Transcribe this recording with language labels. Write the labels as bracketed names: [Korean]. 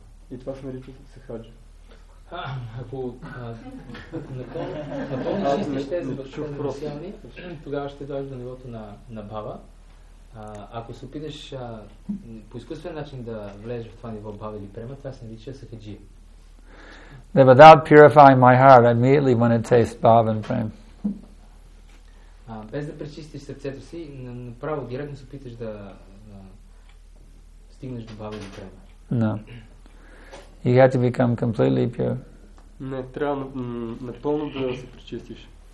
[Bulgarian] И това се нарича Сахаджа. Ако напълно чистиш тези потенциални, тогава ще дойдеш до нивото на Бхава. Ако се опиташ по изкуствен начин да влезеш в това ниво Бхава или Према, това се нарича Сахаджия. [English] Then without purifying my heart, I immediately want to taste Bhava and Prema. [Bulgarian] Без да пречистиш сърцето си, направо директно се опиташ да стигнеш до Бхава или Према. [English] No. You have to become completely pure. [Bulgarian] Не, трябва напълно да се пречистиш.